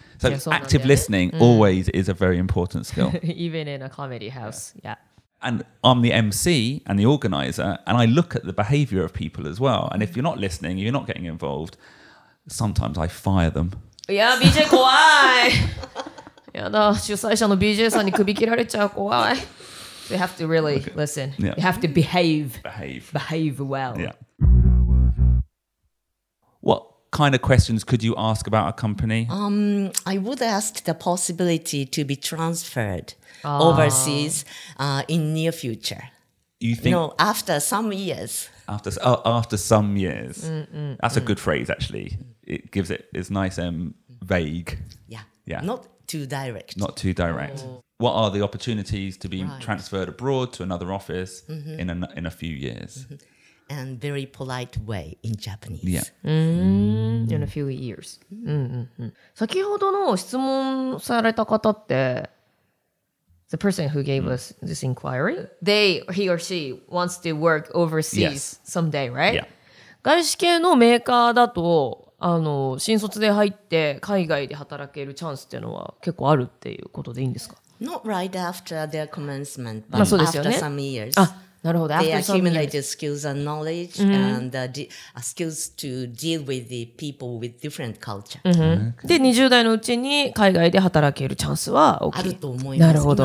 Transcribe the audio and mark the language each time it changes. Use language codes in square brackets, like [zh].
[en] So active listening always is a very important skill. Even in a comedy house, And I'm the MC and the organizer, and I look at the behavior of people as well. And if you're not listening, you're not getting involved, sometimes I fire them. [ja] Yeah, BJ, 怖い。やだ、主催者の BJ さんに首切られちゃう、怖い。 [en] So you have to really listen. Yeah. You have to behave. Behave. Behave well. Yeah. What kind of questions could you ask about a company? I would ask the possibility to be transferred overseas in near future. You think? No, after some years. After some years. That's a good phrase, actually. It gives it, it's nice and vague. Yeah. Not too direct. Not too direct. Oh. What are the opportunities to be transferred abroad to another office in a few years? Mm-hmm. And very polite way in Japanese. Yeah. In a few years. Mm-hmm. [ja] 先ほどの質問された方って、 [en] the person who gave us this inquiry, they, he or she wants to work overseas someday, right? Yeah. [ja] 外資系のメーカーだと、あの新卒で入って海外で働けるチャンスっていうのは結構あるっていうことでいいんですか？ [en] Not right after their commencement, but after some years. [ja] あ、なるほど。 [en] They accumulated skills and knowledge and skills to deal with the people with different culture. [ja] で、20代のうちに海外で働けるチャンスは大きい。あると思います。なるほど。